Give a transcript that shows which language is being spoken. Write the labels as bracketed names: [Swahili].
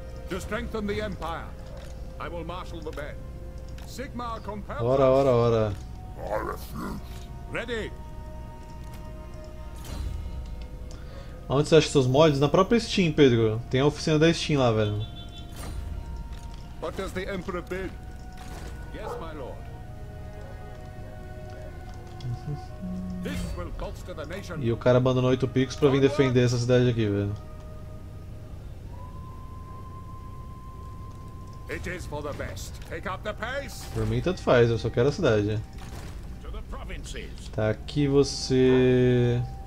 [English] To strengthen the Empire, I will marshal the men. Sigma compels us! [Portuguese] Ora, ora, ora. [English] I refuse. Ready! [Portuguese] Onde você acha seus mods? Na própria Steam, Pedro. Tem a oficina da Steam lá, velho. [English] What does the Emperor bid? Yes, my lord. This will bolster the nation. [Portuguese] E o cara abandonou 8 picos pra vir defender essa cidade aqui, velho. [English] It is for the best. Take up the pace. [Portuguese] Por mim, tanto faz, eu só quero a cidade. [English] To the provinces. [Portuguese] Tá aqui você.